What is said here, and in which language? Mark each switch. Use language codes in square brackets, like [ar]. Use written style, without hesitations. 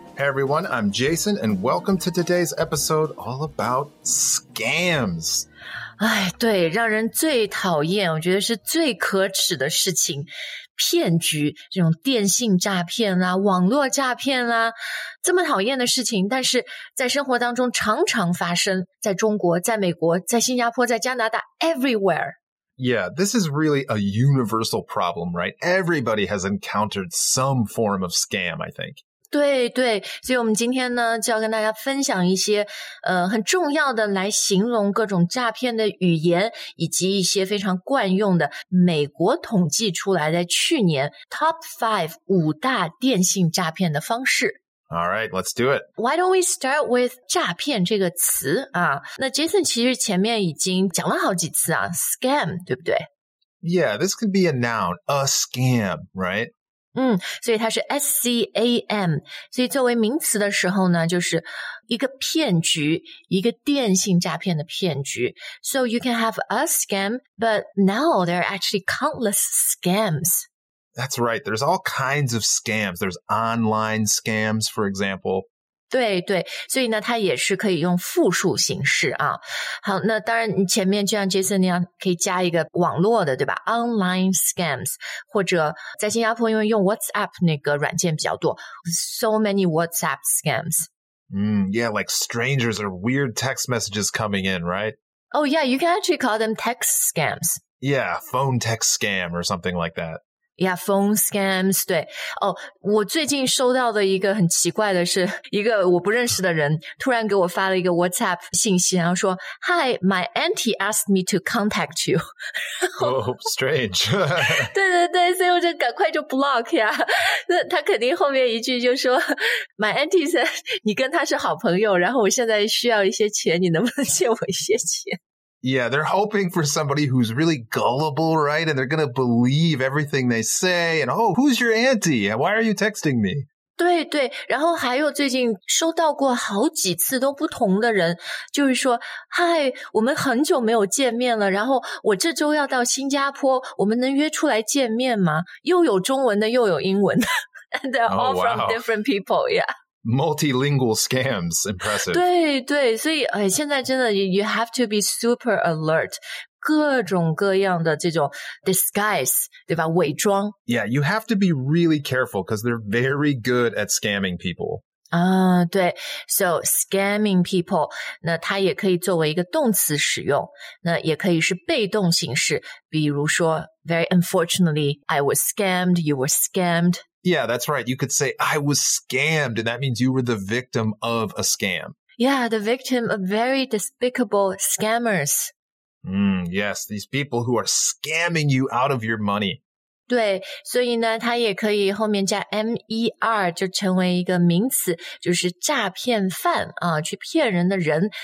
[en] Hey everyone, I'm Jason, and welcome to today's episode all about scams. [zh] 哎，对，让人最讨厌，我觉得是最可耻的事情，骗局，这种电信诈骗啦，网络诈骗啦，这么讨厌的事情，但是在生活当中常常发生，在中国，在美国，在新加坡，在加拿大 ， [en] everywhere. Yeah, this is really a universal problem, right? Everybody has encountered some form of scam, I think. [zh] 对对，所以我们今天呢，就要跟大家分享一些很重要的来形容各种诈骗的语言，以及一些非常惯用的美国统计出来的去年 Top 5五大电信诈骗的方式。 [en] All right, let's do it. Why don't we start with [zh] 诈骗这个词啊？那 Jason 其实前面已经讲了好几次啊 ，scam 对不对 [en] ？Yeah, this could be a noun, a scam, right? [zh] 嗯，所以它是 scam， 所以作为名词的时候呢，就是一个骗局，一个电信诈骗的骗局。 [en] So you can have a scam, but now there are actually countless scams. That's right. There's all kinds of scams. There's online scams, for example. [zh] 对对，所以呢，它也是可以用复数形式啊。好，那当然，你前面就像 Jason 那样，可以加一个网络的，对吧 ？ [en] Online scams， [zh] 或者在新加坡，因为用 WhatsApp 那个软件比较多 ， [en] so many WhatsApp scams. Yeah, like strangers or weird text messages coming in, right? Oh yeah, you can actually call them text scams. Yeah, phone text scam or something like that. Yeah, phone scams, [zh] 对。哦，我最近收到的一个很奇怪的是，一个我不认识的人突然给我发了一个 WhatsApp 信息，然后说 , [en] Hi, my auntie asked me to contact you. Oh, strange. [zh] 对对对，所以我就赶快就 block 呀。那他肯定后面一句就说 , [en] My auntie said, [zh] 你跟他是好朋友，然后我现在需要一些钱，你能不能借我一些钱？ [en] Yeah, they're hoping for somebody who's really gullible, right? And they're going to believe everything they say. And, oh, who's your auntie? Why are you texting me? [zh] 对对，然后还有最近收到过好几次都不同的人，就是说，嗨，我们很久没有见面了，然后我这周要到新加坡，我们能约出来见面吗？又有中文的，又有英文的。 [en] And they're all from different people, yeah. Multilingual scams, impressive. [zh] 对对，所以现在真的 [en] you have to be super alert. [zh] 各种各样的这种 disguise, 对吧？伪装。 [en] Yeah, you have to be really careful because they're very good at scamming people. [zh] 啊，对。 [en] So scamming people, [zh] 那它也可以作为一个动词使用，那也可以是被动形式。比如说 [en] ，very unfortunately, I was scammed. You were scammed. Yeah, that's right. You could say, I was scammed, and that means you were the victim of a scam. Yeah, the victim of very despicable scammers. Yes, these people who are scamming you out of your money. [zh] 对，所以呢，它也可以后面加 MER, 就成为一个名词，就是诈骗犯啊，去骗人的人。